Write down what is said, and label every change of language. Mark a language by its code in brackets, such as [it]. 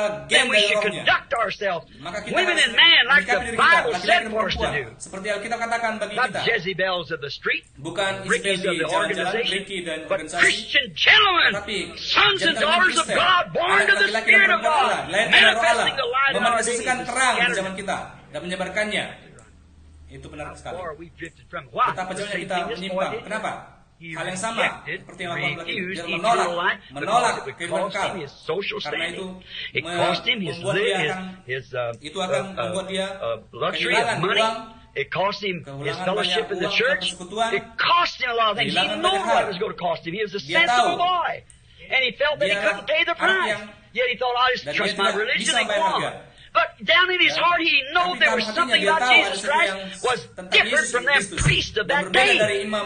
[en] Then we should conduct ourselves, women and men, like the Bible said for us to do. Not Jezebels of the street, Rickies of the organization, but Christian gentlemen, sons and daughters of God, born to the Spirit of God, manifesting the light of our days and scattering [id] dan menyebarkannya. Itu benar sekali. Betapa jauhnya kita menyimpang. Kenapa? Hal yang sama seperti yang lakukan lagi. Dia menolak kehidupan kekal. Karena itu membuat dia akan membuat dia kehilangan uang. [en] It cost him his fellowship in the church. It cost him a lot of things. He knew what it was going to cost him. He was a sensible boy. And he felt that he couldn't pay the price. Yet he thought, I just trust my religion and go on. But down in his heart, he knew there was something about Jesus Christ was different from that priest of that day.